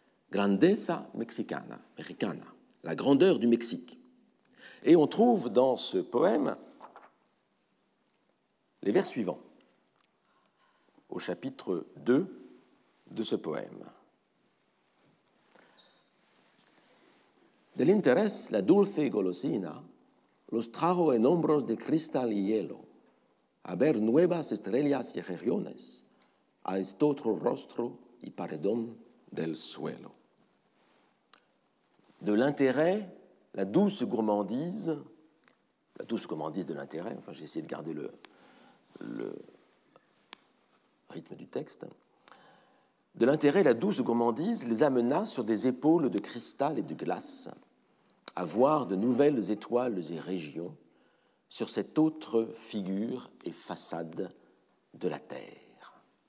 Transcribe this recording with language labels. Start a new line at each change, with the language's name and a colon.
Spanish: Grandeza mexicana, americana,
French: la grandeur du Mexique. Et on trouve dans ce poème les vers suivants, au chapitre 2 de ce poème.
Spanish: Del interés la dulce golosina, los trajo en hombros de cristal y hielo, a ver nuevas estrellas y regiones, a este otro rostro y paredón del suelo.
French: De l'intérêt, la douce gourmandise de l'intérêt, enfin j'ai essayé de garder le rythme du texte, de l'intérêt, la douce gourmandise les amena sur des épaules de cristal et de glace à voir de nouvelles étoiles et régions sur cette autre figure et façade de la Terre.